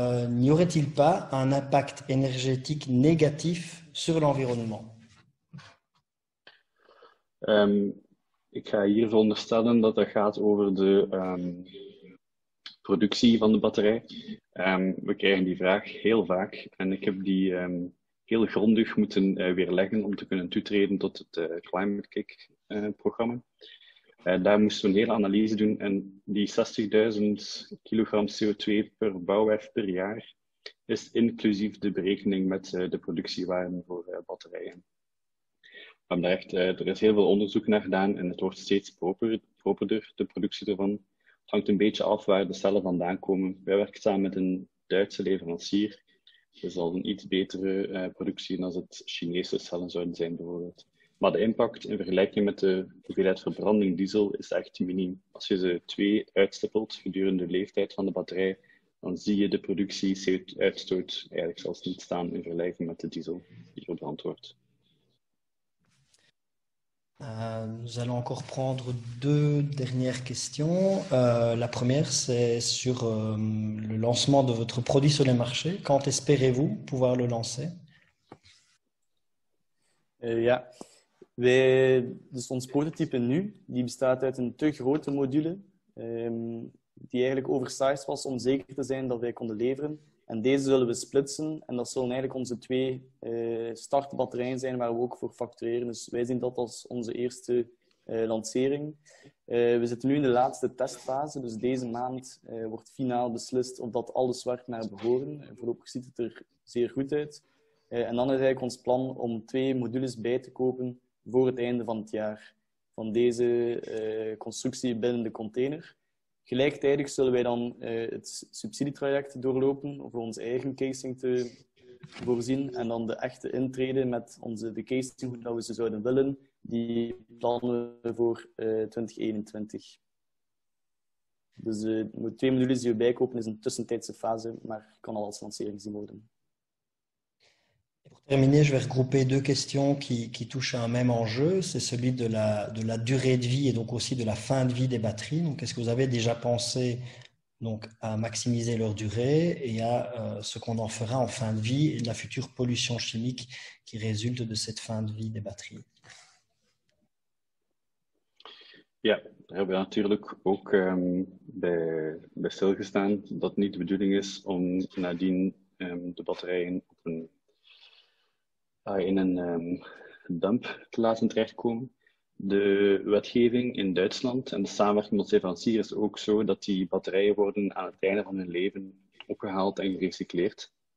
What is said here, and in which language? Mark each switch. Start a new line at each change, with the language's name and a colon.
French: N'y aurait-il pas un impact énergétique négatif sur l'environnement?
Dutch: Ik ga hier veronderstellen dat het gaat over de... productie van de batterij. We krijgen die vraag heel vaak en ik heb die heel grondig moeten weerleggen om te kunnen toetreden tot het Climate Kick programma. Daar moesten we een hele analyse doen en die 60.000 kilogram CO2 per bouwwerf per jaar is inclusief de berekening met de productiewaarde voor batterijen. Er is heel veel onderzoek naar gedaan en het wordt steeds properder, de productie ervan. Het hangt een beetje af waar de cellen vandaan komen. Wij werken samen met een Duitse leverancier. Dus al een iets betere productie dan als het Chinese cellen zouden zijn bijvoorbeeld. Maar de impact in vergelijking met de hoeveelheid verbranding diesel is echt miniem. Als je ze twee uitstippelt gedurende de leeftijd van de batterij, dan zie je de productie CO2-uitstoot eigenlijk zelfs niet staan in vergelijking met de diesel die verbrand wordt.
French: Nous allons encore prendre deux dernières questions. La première, c'est sur le lancement de votre produit sur les marchés. Quand espérez-vous pouvoir le lancer?
Dutch: Ja, dus ons prototype nu, die bestaat uit een te grote module, die eigenlijk oversized was om zeker te zijn dat wij konden leveren. En deze zullen we splitsen en dat zullen eigenlijk onze twee startbatterijen zijn waar we ook voor factureren. Dus wij zien dat als onze eerste lancering. We zitten nu in de laatste testfase, dus deze maand wordt finaal beslist of dat alles werkt naar behoren. Voorlopig ziet het er zeer goed uit. En dan is eigenlijk ons plan om twee modules bij te kopen voor het einde van het jaar van deze constructie binnen de container. Gelijktijdig zullen wij dan het subsidietraject doorlopen voor onze eigen casing te voorzien en dan de echte intrede met de casing hoe we ze zouden willen, die plannen we voor 2021. Dus de twee modules die we bijkopen is een tussentijdse fase, maar kan al als lancering gezien worden.
French: Pour terminer, je vais regrouper deux questions qui touchent à un même enjeu. C'est celui de la durée de vie et donc aussi de la fin de vie des batteries. Donc, est-ce que vous avez déjà pensé donc, à maximiser leur durée et à ce qu'on en fera en fin de vie et de la future pollution chimique qui résulte de cette fin de vie des batteries?
Dutch: Ja, daar hebben we natuurlijk ook bij stilgestaan dat niet de bedoeling is om nadien de batterijen op een in een dump te laten terechtkomen. De wetgeving in Duitsland en de samenwerking met leverancier is ook zo dat die batterijen worden aan het einde van hun leven opgehaald en gerecycleerd.